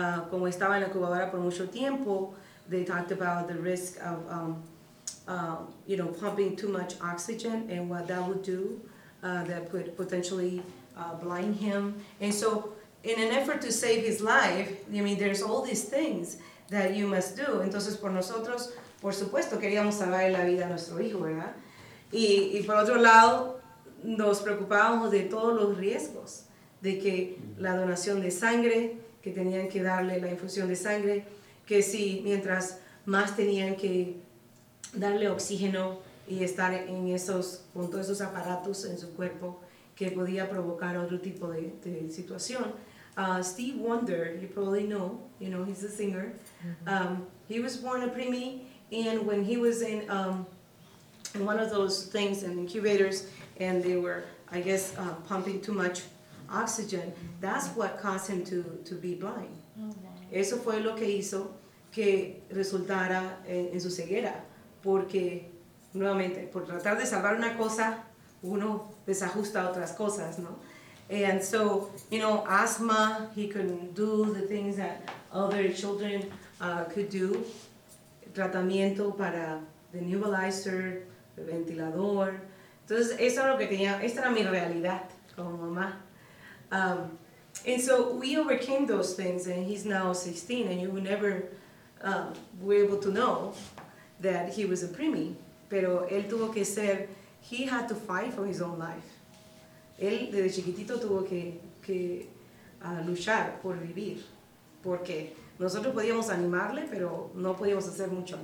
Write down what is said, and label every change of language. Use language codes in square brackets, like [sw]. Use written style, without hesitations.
[es] Como estaba en la incubadora por mucho tiempo, [en] they talked about the risk of pumping too much oxygen and what that would do, that could potentially blind him. And so, in an effort to save his life, I mean, there's all these things that you must do. [es] Entonces, por nosotros, por supuesto, queríamos salvar la vida a nuestro hijo, ¿verdad? Y por otro lado, nos preocupábamos de todos los riesgos, de que la donación de sangre, que tenían que darle la infusión de sangre, que si mientras más tenían que darle oxígeno y estar en esos, con todos esos aparatos en su cuerpo, que podía provocar otro tipo de situación. [en] Steve Wonder, you probably know, he's a singer. Mm-hmm. He was born a preemie, and when he was in one of those things in incubators, and they were, I guess, pumping too much oxygen, that's what caused him to be blind. Okay. [es] Eso fue lo que hizo que resultara en su ceguera, porque nuevamente, por tratar de salvar una cosa, uno desajusta otras cosas, ¿no? [en] And so, asthma, he couldn't do the things that other children could do. [es] Tratamiento para [en] the nebulizer, [es] el ventilador. Entonces, eso era lo que tenía, esta era mi realidad como mamá. [en] And so we overcame those things, and he's now 16, and you would never be able to know that he was a preemie. [es] Pero él tuvo que ser, [en] he had to fight for his own life. [es] Él desde chiquitito tuvo que luchar por vivir, porque nosotros podíamos animarle, pero no podíamos hacer mucho.